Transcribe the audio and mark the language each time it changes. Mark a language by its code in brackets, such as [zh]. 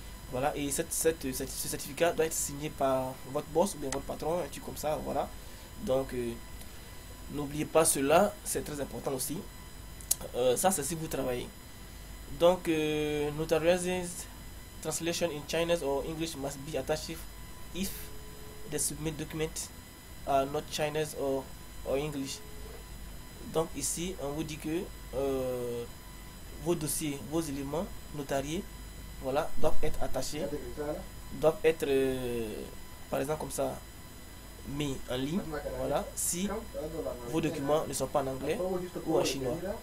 [fr] Voilà, et ce certificat doit être signé par votre boss ou bien votre patron, un truc comme ça, voilà. Donc, n'oubliez pas cela, c'est très important aussi. Ça, c'est si vous travaillez. [en] Donc, notarized translation in Chinese or English must be attached if the submit document are not Chinese or English. [fr] Donc, ici, on vous dit que vos dossiers, vos éléments notariés, voilà, doivent être attachés, doivent être, par exemple, comme ça, mis en ligne, voilà, si vos documents ne sont pas en anglais ou en chinois.